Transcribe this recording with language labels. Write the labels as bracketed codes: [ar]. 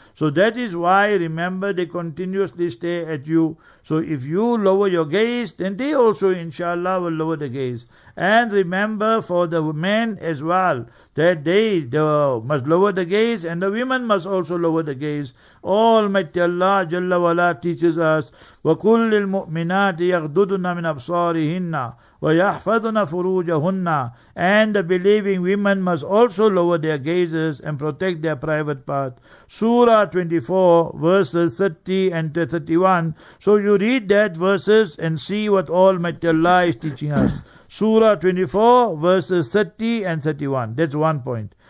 [en] So that is why, remember, they continuously stare at you. So if you lower your gaze, then they also, inshallah, will lower the gaze. And remember for the men as well, that they must lower the gaze, and the women must also lower the gaze. Almighty Allah Jalla Wala teaches us, [ar] وَقُلْ لِلْمُؤْمِنَاتِ يَغْدُدُنَا مِنْ أَبْصَارِهِنَّ وَيَحْفَظُنَا فُرُوجَهُنَّ. [en] And the believing women must also lower their gazes and protect their private part. Surah 24, verses 30 and 31. So you read that verses and see what Almighty Allah is teaching us. Surah 24, verses 30 and 31. That's one point.